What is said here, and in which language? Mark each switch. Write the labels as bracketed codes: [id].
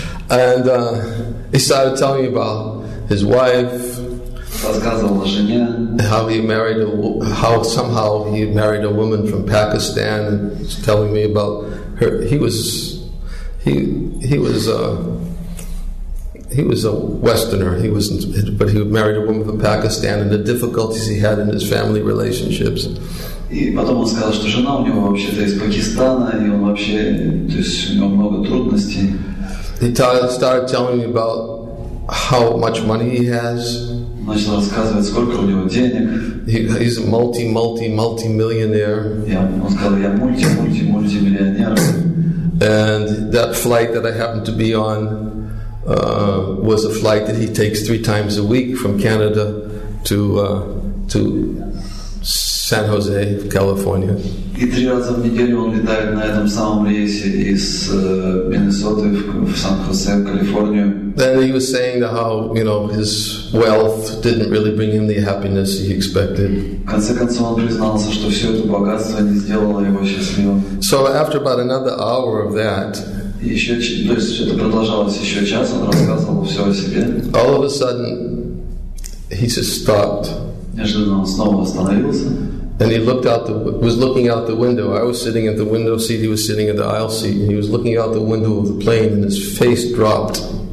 [en] And he started telling me about his wife, how somehow he married a woman from Pakistan, and he's telling me about her. He was a Westerner, but he married a woman from Pakistan, and the difficulties he had in his family relationships. [ru] И потом он сказал, что жена у него вообще-то из Пакистана, и он вообще, то есть у него много трудностей. [en] He started telling me about how much money he has. [ru] Начал рассказывать, сколько у него денег. [en] He's a multi-millionaire. [ru] Yeah, он сказал, я мульти-мультимиллионер. [en] And that flight that I happened to be on was a flight that he takes three times a week from Canada to San Jose, California. [ru] И три раза в неделю он летает на этом самом рейсе из Миннесоты в Сан-Хосе, в Калифорнию. [en] Then he was saying how, you know, his wealth didn't really bring him the happiness he expected. [ru] В конце концов он признался, что все это богатство не сделало его счастливым. [en] So after about another hour of that, [ru] это продолжалось еще час, он рассказывал все о себе. [en] All of a sudden, he just stopped. [ru] Неожиданно он снова остановился. [en] And he looked out the was looking out the window. I was sitting in the window seat, he was sitting in the aisle seat, and he was looking out the window of the plane, and his face dropped.